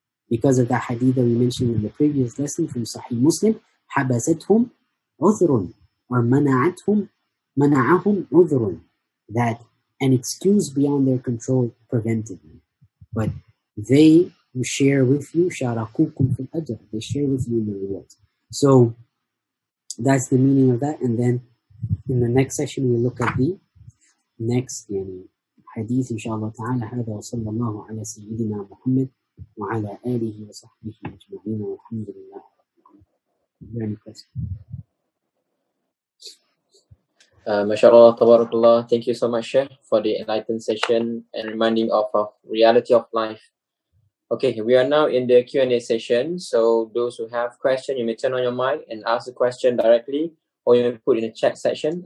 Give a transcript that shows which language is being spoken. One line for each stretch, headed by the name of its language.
English: Because of the hadith that we mentioned in the previous lesson from Sahih Muslim,
Arabic: حَبَسَتْهُمْ عُذْرٌ
English: or
Arabic: مَنَعَهُمْ عُذْرٌ,
English: that an excuse beyond their control prevented them. But they who share with you,
Arabic: شَارَكُوكُمْ فِي الْأَجْرِ,
English: they share with you in the rewards. So that's the meaning of that. And then in the next session, we'll look at the next hadith, inshallah ta'ala.
Arabic: هذا وصلى الله على سيدنا محمد وعلى آله وصحبه أجمعين والحمد لله رب العالمين. MashaAllah, tabarakAllah.
English: Thank you so much, Sheikh, for the enlightened session and reminding of our reality of life. Okay, we are now in the Q&A session. So those who have questions, you may turn on your mic and ask the question directly, or you may put in the chat section.